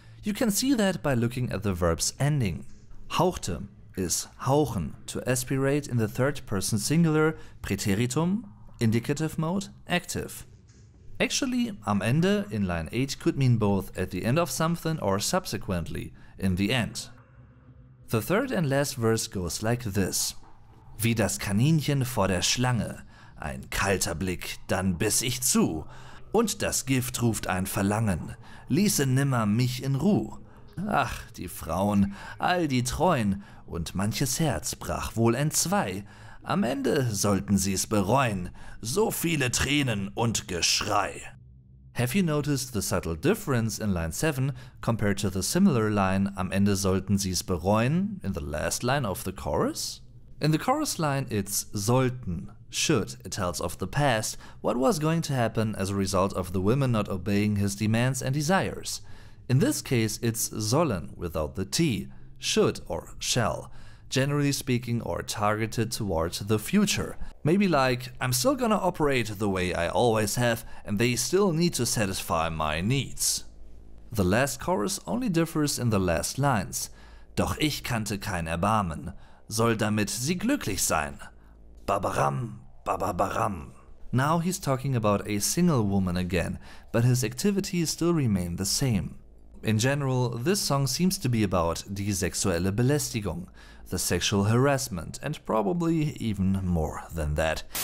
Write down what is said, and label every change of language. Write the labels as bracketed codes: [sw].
[en] You can see that by looking at the verb's ending. Hauchte is hauchen, to aspirate in the third person singular, preteritum, indicative mode, active. Actually, am Ende in line 8 could mean both at the end of something or subsequently, in the end. The third and last verse goes like this. [de] Wie das Kaninchen vor der Schlange, ein kalter Blick, dann biss ich zu. Und das Gift ruft ein Verlangen, ließe nimmer mich in Ruh. Ach, die Frauen, all die Treuen, und manches Herz brach wohl entzwei. Am Ende sollten sie's bereuen, so viele Tränen und Geschrei. [en] Have you noticed the subtle difference in line 7 compared to the similar line, [de] am Ende sollten sie's bereuen, [en] in the last line of the chorus? In the chorus line it's sollten. Should, it tells of the past, what was going to happen as a result of the women not obeying his demands and desires. In this case, it's sollen, without the T, should or shall, generally speaking or targeted towards the future. Maybe like, I'm still gonna operate the way I always have and they still need to satisfy my needs. The last chorus only differs in the last lines. [de] Doch ich kannte kein Erbarmen, soll damit sie glücklich sein. Babaram, babaram. [en] Now he's talking about a single woman again, but his activities still remain the same. In general, this song seems to be about [de] die sexuelle Belästigung, [en] the sexual harassment, and probably even more than that.